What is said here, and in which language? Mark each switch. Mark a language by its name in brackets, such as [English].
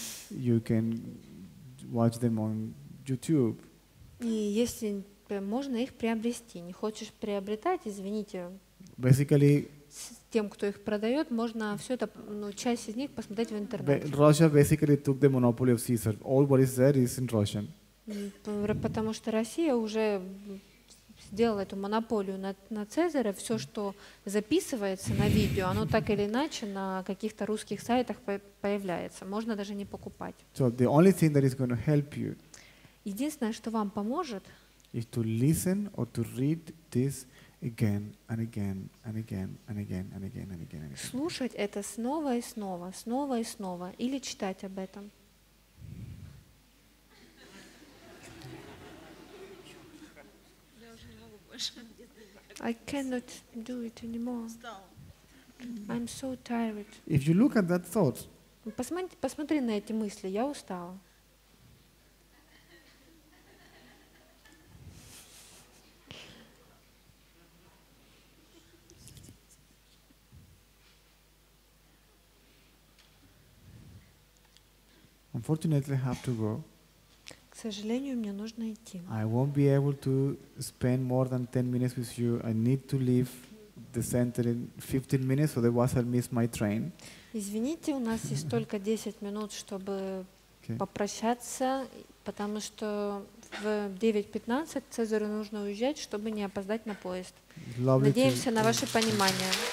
[English] You can watch them on YouTube. [Russian] И если можно их приобрести, не хочешь приобретать, извините. [English] Basically, [Russian] с тем, кто их продает, можно все это, ну, часть из них посмотреть в интернете. [English] Russia basically took the monopoly of Caesar. All what is there is in Russian. [Russian] Потому что Россия уже сделала эту монополию на Цезаря. Все, что записывается на видео, оно так или иначе на каких-то русских сайтах появляется. Можно даже не покупать. [English] So the only thing that is going to help you. [Russian] Единственное, что вам поможет. [English] Is to listen or to read this again and again and again and again and again and again. [Russian] Слушать это снова и снова, снова и снова, или читать об этом. [English] I cannot do it anymore. I'm so tired. If you look at that thought. [Russian] Посмотри на эти мысли. Я устала. [English] Unfortunately, I have to go. [Russian] К сожалению, мне нужно идти. [English] I won't be able to spend more than 10 minutes with you. I need to leave the center in 15 minutes, otherwise I'll miss my train. [Russian] Извините, у нас есть только 10 минут, чтобы попрощаться, потому что в 9:15 Цезарю нужно уезжать, чтобы не опоздать на поезд. [English] Lovely. [Russian] Надеемся на ваше понимание.